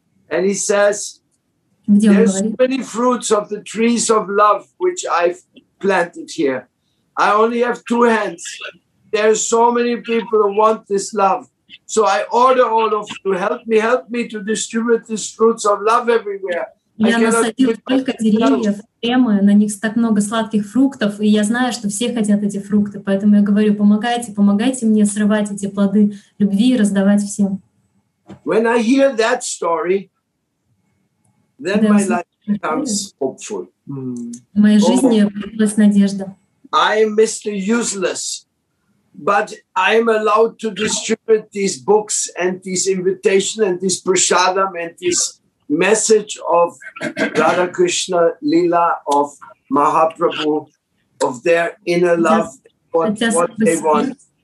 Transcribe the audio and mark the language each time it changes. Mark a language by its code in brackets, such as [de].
[en] and he says, there's many fruits of the trees of love which I've planted here. I only have two hands. There are so many people who want this love. So I order all of you, help me to distribute these fruits of love everywhere. [ru] Я насадил столько деревьев, эмы, на них так много сладких фруктов, и я знаю, что все хотят эти фрукты, поэтому я говорю, помогайте, помогайте мне срывать эти плоды любви и раздавать всем. [en] When I hear that story, then my life becomes hopeful. [ru] В моей жизни появилась надежда. [en] I am Mr. Useless, but I am allowed to distribute these books and these invitations and this prasadam and this message of Radha Krishna Lila of Mahaprabhu of their inner love what they want.